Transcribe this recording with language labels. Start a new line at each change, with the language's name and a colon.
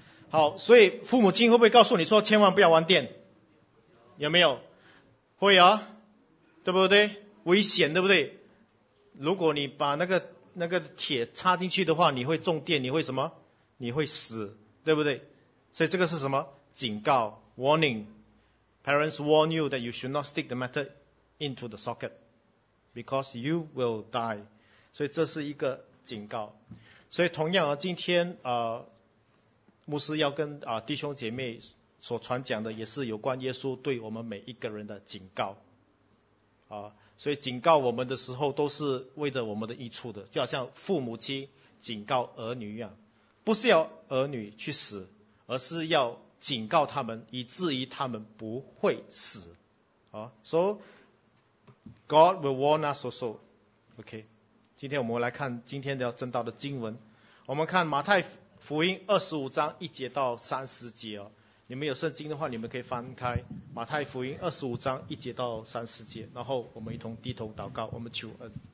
Chinese: 好，所以父母亲会不会告诉你说千万不要玩电？有没有？会啊，对不对？危险，对不对？如果你把那个铁插进去的话，你会中电，你会什么？你会死，对不对？所以这个是什么？警告 ，warning。
English: Parents warn you that you should not stick the metal into the socket. Because you will die.
Chinese: 所以这是一个警告。所以同样今天牧师要跟弟兄姐妹所传讲的也是有关耶稣对我们每一个人的警告。所以警告我们的时候都是为着我们的益处的，就好像父母亲警告儿女一样。不是要儿女去死，而是要警告他们以至于他们不会死。
English: 所以God will warn us also. OK.
Chinese: 今天我们来看今天的正道的经文。我们看马太福音25章1节到30节、你们有圣经的话，你们可以翻开马太福音25章1节到30节，然后我们一同低头祷告，我们求恩。